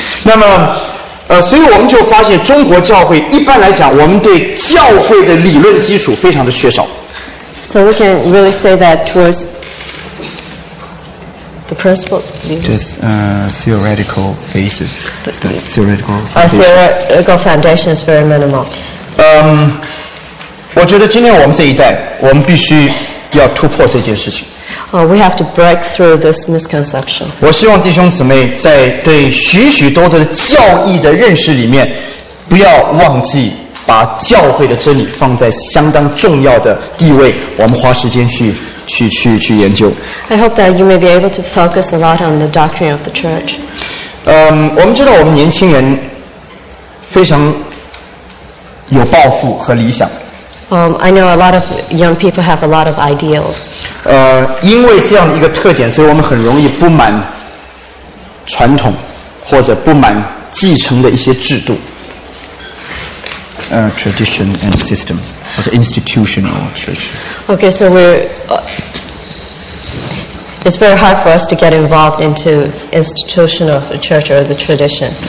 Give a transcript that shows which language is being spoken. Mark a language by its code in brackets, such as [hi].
[zh] 那么，所以我们就发现，中国教会一般来讲，我们对教会的理论基础非常的缺少。 [en] So we can really say that towards the principle. Theoretical basis. Theoretical foundation is very minimal. [zh] 我觉得今天我们这一代，我们必须要突破这件事情。 [en] We have to break through this misconception. [zh] 我希望弟兄姊妹在对许许多多的教义的认识里面，不要忘记把教会的真理放在相当重要的地位，我们花时间去研究。 [en] I hope that you may be able to focus a lot on the doctrine of the church. [zh] 我们知道我们年轻人非常有抱负和理想。 [en] I know a lot of young people have a lot of ideals. [zh] 因为这样的一个特点，所以我们很容易不满传统或者不满继承的一些制度。 [en] Tradition and system, or the institutional church. Okay, so it's very hard for us to get involved into institution of a church or the tradition.